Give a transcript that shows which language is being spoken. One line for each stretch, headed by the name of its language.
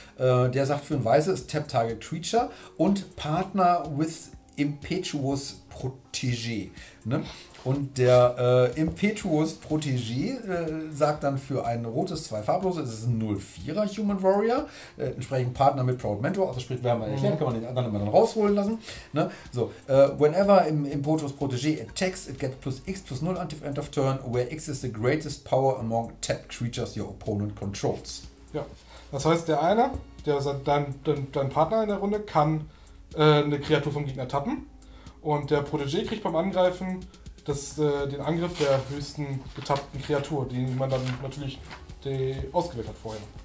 German: Der sagt für ein weißes Tap Target Creature und Partner with Impetuous Protégé. Ne? Und der Impetuous Protégé sagt dann für ein rotes, 2 farblose, es ist ein 0-4er Human Warrior, entsprechend Partner mit Proud Mentor, also sprich, wir haben erklärt, kann man den anderen immer dann rausholen lassen. Ne?
English: So, whenever Impetuous Protégé attacks, it gets +X/+0 until end of turn, where X is the greatest power among tapped creatures your opponent controls.
German: Ja, das heißt, der eine, der sagt, dein Partner in der Runde, kann eine Kreatur vom Gegner tappen und der Protégé kriegt beim Angreifen den Angriff der höchsten getappten Kreatur, die man dann natürlich ausgewählt hat vorher.